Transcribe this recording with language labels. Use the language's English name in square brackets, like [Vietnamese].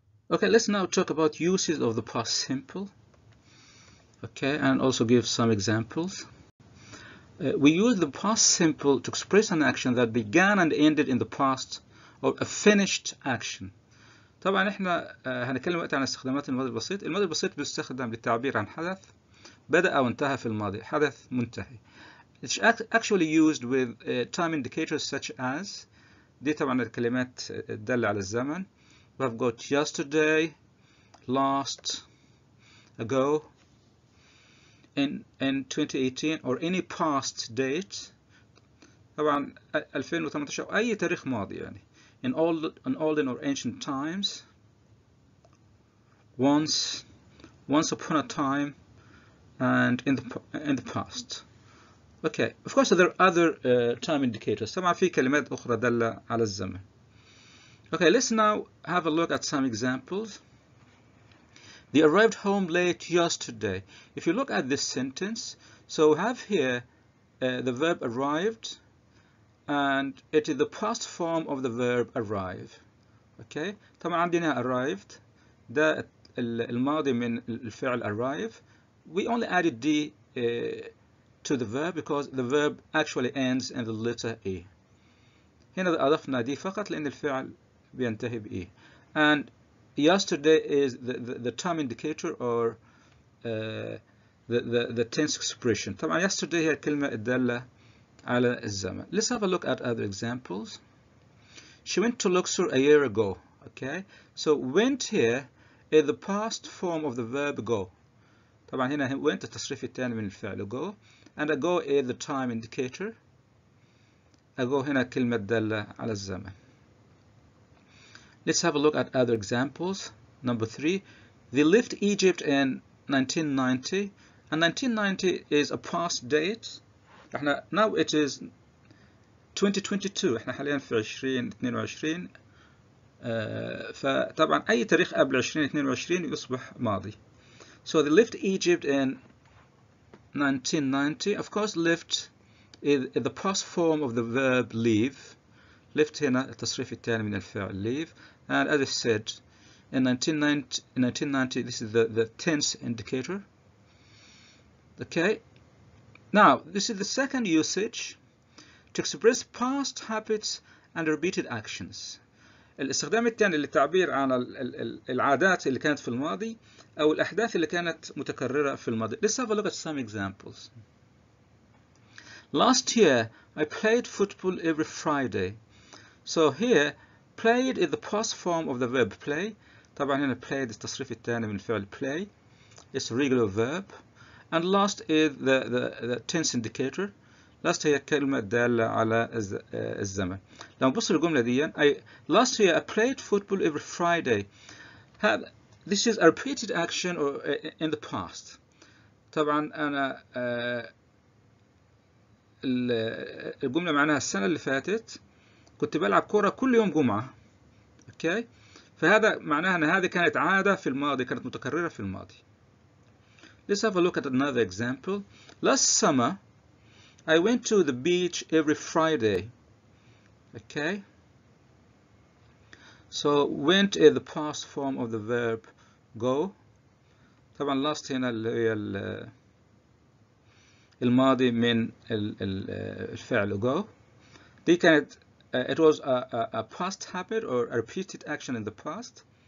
[English] Okay, let's now talk about uses of the past simple. Okay, and also give some examples. We use the past simple to express an action that began and ended in the past, or a finished action. [Arabic] طبعا احنا هنتكلم وقت عن استخدامات الماضي البسيط. الماضي البسيط بيستخدم للتعبير عن حدث بدأ أو انتهى في الماضي، حدث منتهي. [English] It's actually used with time indicators such as [Arabic] دي طبعا الكلمات تدل على الزمن. [English] We have got yesterday, last, ago, in 2018 or any past date. [Arabic] طبعا 2018 أو أي تاريخ ماضي يعني. [English] In olden or ancient times. Once upon a time. And in the past. Okay, of course there are other time indicators. [Arabic] طبعا في كلمات أخرى دالة على الزمن. [English] Okay, let's now have a look at some examples. They arrived home late yesterday. If you look at this sentence, so we have here the verb arrived, and it is the past form of the verb arrive. [Arabic] Okay, طبعا عندنا arrived. ده الماضي من الفعل arrive. [English] We only added D to the verb because the verb actually ends in the letter E. [Arabic] هنا أضفنا D فقط لأن الفعل بينتهي بE. [English] And yesterday is the time indicator or the tense expression. [Arabic] طبعا yesterday هي الكلمة الدالة على الزمن. [English] Let's have a look at other examples. She went to Luxor a year ago. Okay, so went here is the past form of the verb go. [Arabic] طبعا هنا went التصريف الثاني من الفعل go. [English] And ago is the time indicator. [Arabic] Ago هنا كلمة دالة على الزمن. [English] Let's have a look at other examples. Number three. They left Egypt in 1990. And 1990 is a past date. [Arabic] احنا [English] now it is 2022. [Arabic] احنا حاليا في 2022. فطبعا أي تاريخ قبل 2022 يصبح ماضي. [English] So they left Egypt in 1990. Of course, left is the past form of the verb leave. [Arabic] Left هنا التصريف الثاني من الفعل leave. [English] And as I said, in 1990, this is the tense indicator. Okay. Now this is the second usage to express past habits and repeated actions. [Arabic] الاستخدام الثاني للتعبير عن العادات اللي كانت في الماضي أو الأحداث اللي كانت متكررة في الماضي. [English] Let's have a look at some examples. Last year, I played football every Friday. So here, played is the past form of the verb play. [Arabic] طبعا هنا played is التصريف الثاني من الفعل play. [English] It's a regular verb. And last is the tense indicator. [Arabic] Last هي كلمة دالة على الزمن. لما نبص للجملة دي [English] I last year I played football every Friday. This is a repeated action or in the past. [Arabic] طبعا أنا الجملة معناها السنة اللي فاتت كنت بلعب كرة كل يوم جمعة. أوكي؟ فهذا معناها أن هذه كانت عادة في الماضي، كانت متكررة في الماضي. [English] Let's have a look at another example. Last summer, I went to the beach every Friday. Okay. So went is the past form of the verb go. [Arabic] طبعا last هنا اللي هي الماضي من الفعل go. دي كانت [English] it was a past habit or a repeated action in the past.